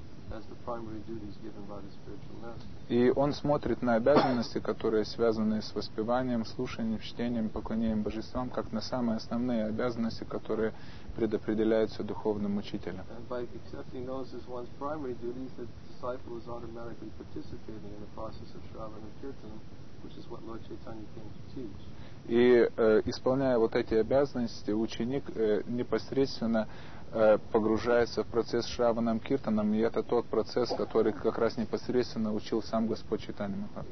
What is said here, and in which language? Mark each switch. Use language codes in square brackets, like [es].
[en] as the primary duties given by the spiritual master. [ru] И он смотрит на обязанности, которые связаны с воспеванием, слушанием, чтением, поклонением божествам, как на самые основные обязанности, которые предопределяются духовным учителем. [en] And by accepting those as one's primary duties, the disciple is automatically participating in the process of shravana kirtana, which is what Lord Chaitanya came to teach. [ru] И исполняя вот эти обязанности, ученик непосредственно погружается в процесс шраванам киртанам, и это тот процесс, который как раз непосредственно учил сам Господь Чайтанья